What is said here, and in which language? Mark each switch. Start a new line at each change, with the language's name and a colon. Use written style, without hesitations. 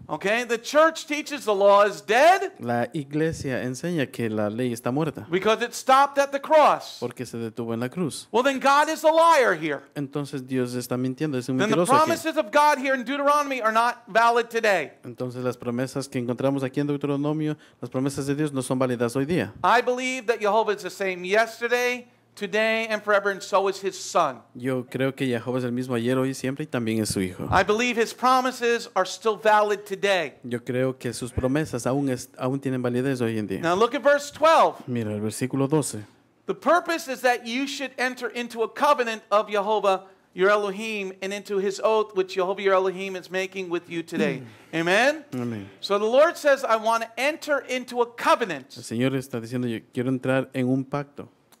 English: Okay, the church teaches the law is dead.
Spanish: La iglesia enseña que la ley está muerta.
English: Because it stopped at the cross.
Spanish: Porque se detuvo en la cruz.
English: Well, then God is a liar here.
Spanish: Entonces Dios está mintiendo, es un mentiroso.
English: Then the promises
Spanish: aquí
English: of God here in Deuteronomy are not valid today.
Spanish: Entonces las promesas que encontramos aquí en Deuteronomio, las promesas de Dios no son válidas hoy día.
English: I believe that Jehovah is the same yesterday, today and forever, and so is his son.
Spanish: Yo creo que Jehová es el mismo ayer, hoy y siempre, y también es su hijo.
English: I believe his promises are still valid today.
Spanish: Yo creo que sus promesas aún tienen validez hoy en día.
English: Now look at verse 12.
Spanish: Mira el versículo 12.
English: The purpose is that you should enter into a covenant of Jehovah your Elohim and into his oath which Jehovah your Elohim is making with you today. Amen? Amen. So the Lord says, I want to enter into a covenant.
Spanish: El Señor está diciendo, yo quiero entrar en un pacto.